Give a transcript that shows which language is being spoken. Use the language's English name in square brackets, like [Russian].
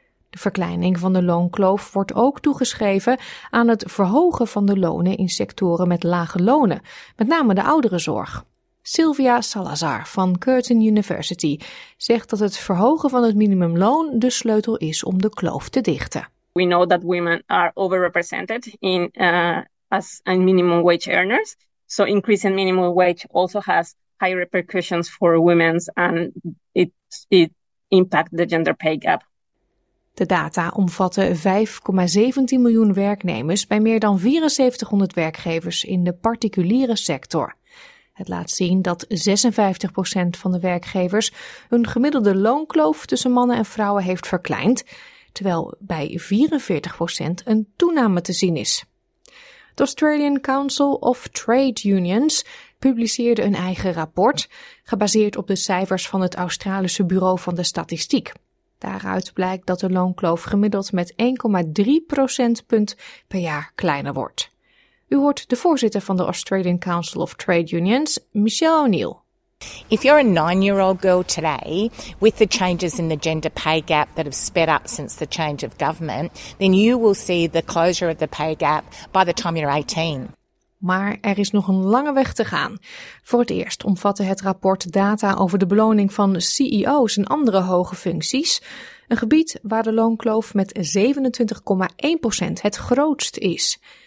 [Dutch] De verkleining van de loonkloof wordt ook toegeschreven aan het verhogen van de lonen in sectoren met lage lonen, met name de ouderenzorg. Sylvia Salazar van Curtin University zegt dat het verhogen van het minimumloon de sleutel is om de kloof te dichten. [English] We know that women are overrepresented in as minimum wage earners. So increasing minimum wage also has high repercussions for women and it impacts the gender pay gap. [Dutch] De data omvatten 5,17 miljoen werknemers bij meer dan 7400 werkgevers in de particuliere sector. Het laat zien dat 56% van de werkgevers hun gemiddelde loonkloof tussen mannen en vrouwen heeft verkleind, terwijl bij 44% een toename te zien is. De Australian Council of Trade Unions publiceerde een eigen rapport, gebaseerd op de cijfers van het Australische Bureau van de Statistiek. Daaruit blijkt dat de loonkloof gemiddeld met 1,3 procentpunt per jaar kleiner wordt. U hoort de voorzitter van de Australian Council of Trade Unions, Michelle O'Neill. [English] If you're a 9-year-old girl today, with the changes in the gender pay gap that have sped up since the change of government, then you will see the closure of the pay gap by the time you're 18. [Dutch] Maar er is nog een lange weg te gaan. Voor het eerst omvatte het rapport data over de beloning van CEO's en andere hoge functies, een gebied waar de loonkloof met 27,1% het grootst is.